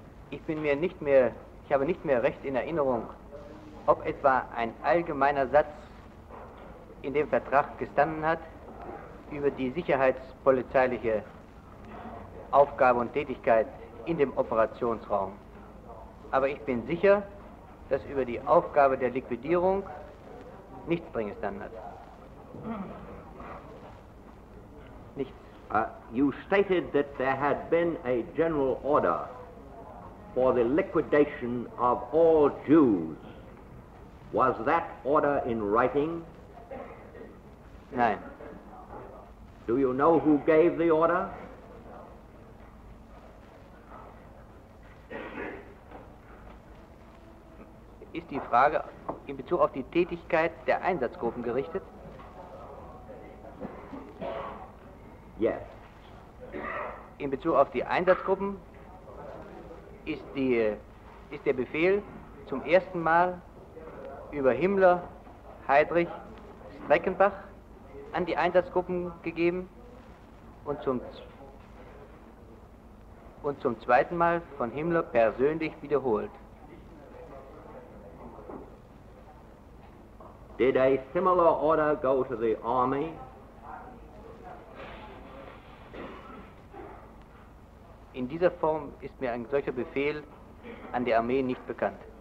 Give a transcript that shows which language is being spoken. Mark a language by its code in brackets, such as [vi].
[de] Ich habe nicht mehr recht in Erinnerung, ob etwa ein allgemeiner Satz in dem Vertrag gestanden hat über die sicherheitspolizeiliche Aufgabe und Tätigkeit in dem Operationsraum. Aber ich bin sicher, dass über die Aufgabe der Liquidierung nichts drin gestanden hat. Nichts. [en] You stated that there had been a general order for the liquidation of all Jews. Was that order in writing? [de] Nein. [en] Do you know who gave the order? [de] Ist die Frage in Bezug auf die Tätigkeit der Einsatzgruppen gerichtet? [en] Yes. [de] In Bezug auf die Einsatzgruppen ist der Befehl zum ersten Mal über Himmler, Heydrich, Streckenbach an die Einsatzgruppen gegeben und zum zweiten Mal von Himmler persönlich wiederholt. [en] Did a similar order go to the army? [de] In dieser Form ist mir ein solcher Befehl an die Armee nicht bekannt.